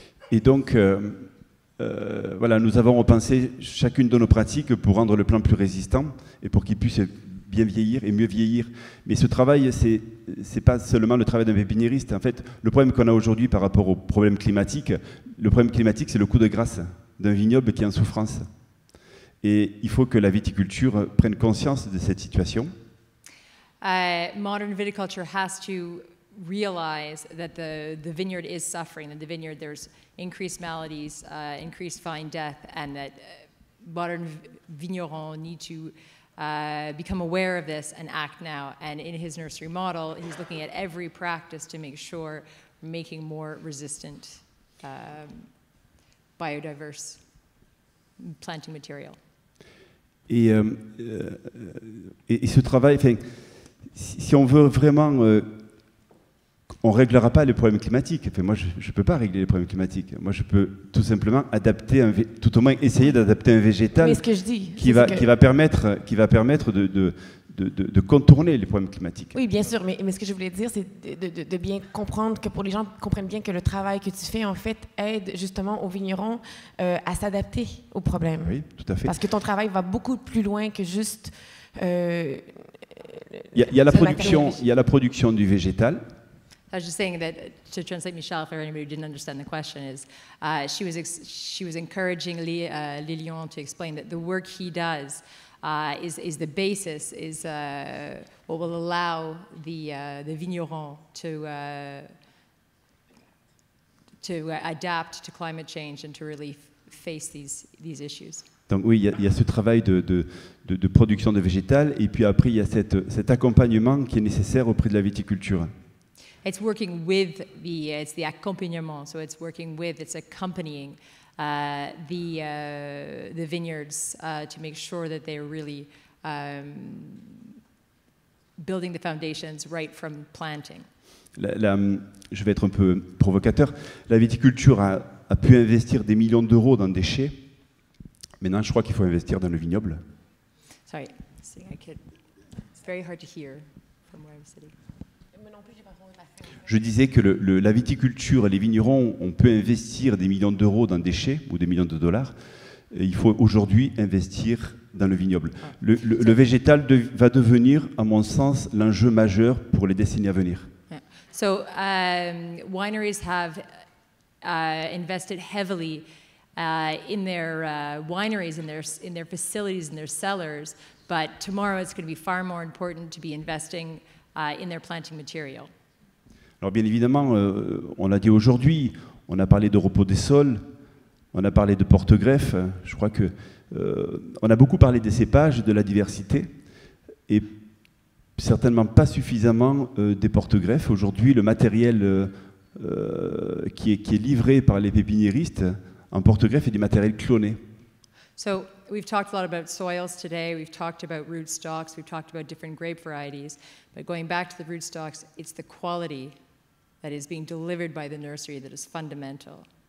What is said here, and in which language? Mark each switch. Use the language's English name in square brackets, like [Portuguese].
[French] Et donc, voilà, nous avons repensé chacune de nos pratiques pour rendre le plan plus résistant et pour qu'il puisse bien vieillir et mieux vieillir. Mais ce travail, c'est pas seulement le travail d'un pépiniériste. En fait, le problème qu'on a aujourd'hui par rapport au problème climatique, c'est le coup de grâce d'un vignoble qui est en souffrance. Et il faut que la viticulture prenne conscience de cette situation. [English] Modern viticulture has to realize that the vineyard is suffering, that the vineyard there's increased maladies, increased vine death, and that modern vignerons need to become aware of this and act now. And in his nursery model, he's looking at every practice to make sure we're making more resistant biodiverse planting material. [French] Et ce travail, enfin, si on veut vraiment, on ne réglera pas les problèmes climatiques. Enfin, moi, je ne peux pas régler les problèmes climatiques. Moi, je peux tout simplement essayer d'adapter un végétal qui va permettre de contourner les problèmes climatiques. Oui, bien sûr. Mais ce que je voulais dire, c'est de bien comprendre, que pour les gens comprennent bien que le travail que tu fais, en fait, aide justement aux vignerons à s'adapter aux problèmes. Oui, tout à fait. Parce que ton travail va beaucoup plus loin que juste... Il y a la production du végétal. [English] I was just saying that, to translate Michelle, for anybody who didn't understand the question, is she was encouraging Lilian to explain that the work he does is the basis, is what will allow the vigneron to adapt to climate change and to really face these issues. [French] Donc oui, il y a ce travail de production de végétal, et puis après il y a cet accompagnement qui est nécessaire auprès de la viticulture. [English] It's working with it's the accompagnement, so it's working with, it's accompanying the vineyards to make sure that they're really building the foundations right from planting. [French] Je vais être un peu provocateur. La viticulture a pu investir des millions d'euros dans des chais. Maintenant, je crois qu'il faut investir dans le vignoble. [English] Sorry, it's very hard to hear from where I'm sitting. [French] Je disais que la viticulture et les vignerons, on peut investir des millions d'euros dans des chais ou des millions de dollars. Et il faut aujourd'hui investir dans le vignoble. Le végétal va devenir, à mon sens, l'enjeu majeur pour les décennies à venir. [English] So, wineries have invested heavily in their wineries, in their facilities, in their cellars. But tomorrow, it's going to be far more important to be investing in their planting material. [French] Alors bien évidemment, on l'a dit aujourd'hui, on a parlé de repos des sols, on a parlé de porte-greffe, je crois que on a beaucoup parlé des cépages, de la diversité, et certainement pas suffisamment des porte-greffes. Aujourd'hui, le matériel qui est livré par les pépiniéristes en porte-greffe est du matériel cloné. [English] So, we've talked a lot about soils today, we've talked about rootstocks, we've talked about different grape varieties, but going back to the rootstocks, it's the quality that is being delivered by the nursery that is fundamental.